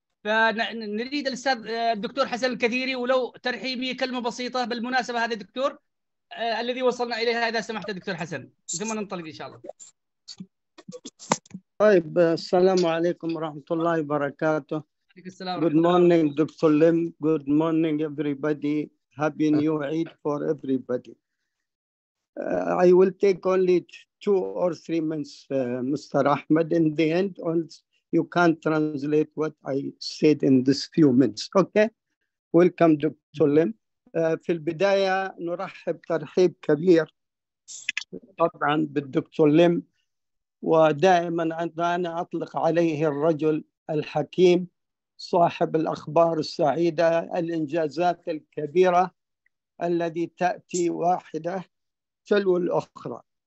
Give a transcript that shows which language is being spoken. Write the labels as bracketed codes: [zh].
[ar] فنريد الأستاذ الدكتور حسن الكثيري ولو ترحيمي كلمة بسيطة بالمناسبة هذا الدكتور الذي وصلنا إليها إذا سمحت دكتور حسن ثم ننطلق إن شاء الله. طيب السلام عليكم ورحمة الله وبركاته. السلام. [en] Good morning doctor Lim. Good morning everybody. Happy New Year for everybody. I will take only two or three minutes, Mr. Ahmed. In the end, you can translate what I said in this few minutes. Okay. Welcome [ar] دكتور ليم. في البداية نرحب ترحيب كبير طبعا بالدكتور ليم. ودائما أنا أطلق عليه الرجل الحكيم صاحب الأخبار السعيدة الإنجازات الكبيرة التي تأتي واحدة تلو الأخرى.